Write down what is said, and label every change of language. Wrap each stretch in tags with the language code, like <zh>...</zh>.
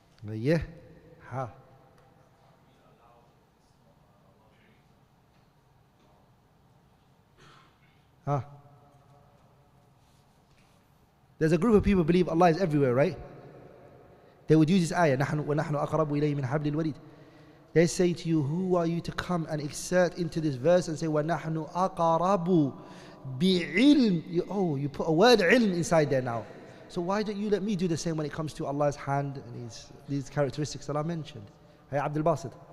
<en>Yeah? Ha. Ha. There's a group of people who believe Allah is everywhere, right?</en> <ar>They would use this ayah, نَحْنُ وَنَحْنُ أَقْرَبُ إِلَيْهِ مِنْ حَبْلِ الْوَرِيدِ.</ar> <en>They say to you, who are you to come and exert into this verse and say, وَنَحْنُ أَقَرَبُ بِعِلْمِ. Oh, you put a word ilm inside there now. So why don't you let me do the same when it comes to Allah's hand and these characteristics that I mentioned? Hey, Abdul Basit.</en>